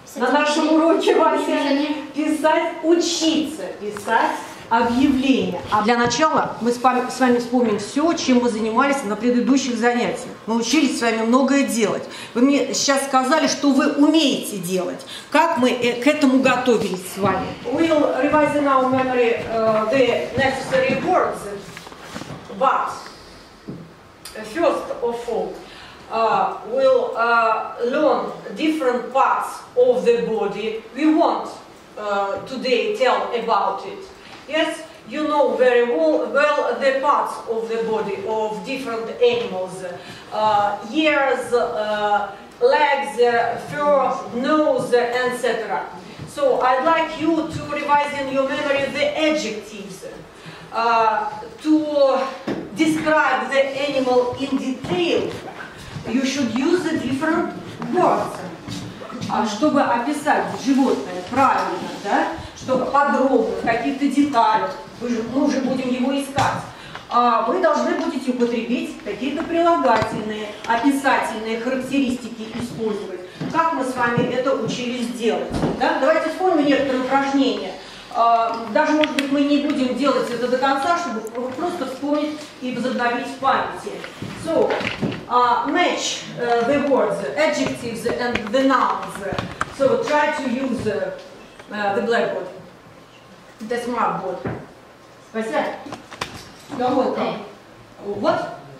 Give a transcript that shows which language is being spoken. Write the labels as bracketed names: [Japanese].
[Russian] На нашем уроке, Вася, писать, учиться писать объявления. А для начала мы с вами вспомним все, чем мы занимались на предыдущих занятиях. Мы учились с вами многое делать. Вы мне сейчас сказали, что вы умеете делать. Как мы к этому готовились с вами? [English] We'll revise in our memory the necessary words. But first of all, we'll learn different parts of the body. We won't today tell about it. Yes, you know very well the parts of the body of different animals. Ears, legs, fur, nose, etc. So I'd like you to revise in your memory the adjectives to describe the animal in detail. You should use the different words. [Russian] Чтобы описать животное правильно, да? Чтобы подробно, в каких-то деталях, мы уже будем его искать, вы должны будете употребить какие-то прилагательные, описательные характеристики использовать. Как мы с вами это учились делать? Да? Давайте вспомним некоторые упражнения. Даже, может быть, мы не будем делать это до конца, чтобы просто вспомнить и возобновить в памяти. [English] So, match the words, adjectives and the nouns. So, try to use the blackboard, the smartboard. Вася, you're welcome. What?